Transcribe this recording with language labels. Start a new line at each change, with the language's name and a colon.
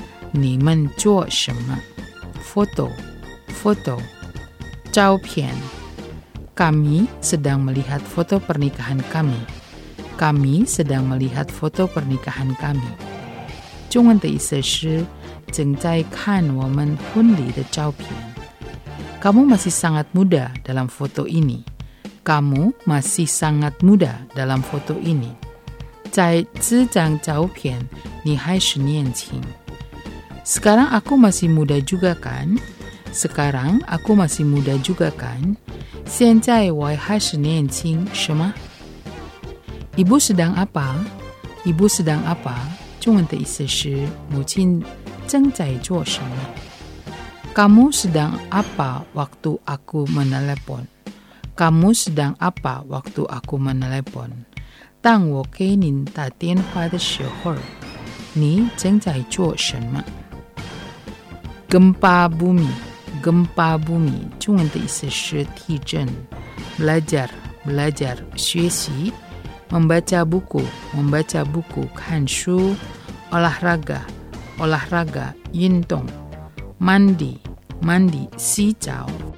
Chinese: 你们做什么?
Indonesian: Foto, foto.
Chinese: 照片.
Indonesian: Kami sedang melihat foto pernikahan kami. Kami sedang melihat foto pernikahan kami.
Chinese: 中文的意思是, 正在看我们婚礼的照片.
Indonesian: Kamu masih sangat muda dalam foto ini. Kamu masih sangat muda dalam foto ini.
Chinese: 在这张照片, 你还是年轻.
Indonesian: Sekarang aku masih muda juga kan? Sekarang aku masih muda juga kan?
Chinese: 现在我还是年轻, 是吗?
Indonesian: Ibu sedang apa? Ibu sedang apa?
Chinese: 中文的意思是, 母亲正在做什么?
Indonesian: Kamu sedang apa waktu aku menelepon? Kamu sedang apa waktu aku menelepon?
Chinese: 当我给您打电话的时候, 你正在做什么?
Indonesian: Gempa bumi, gempa bumi,
Chinese: 中文的意思是地震.
Indonesian: Belajar, belajar,
Chinese: 学习.
Indonesian: Membaca buku, membaca buku,
Chinese: 看书.
Indonesian: Olahraga, olahraga,
Chinese: 运动.
Indonesian: Mandi, mandi,
Chinese: 洗澡.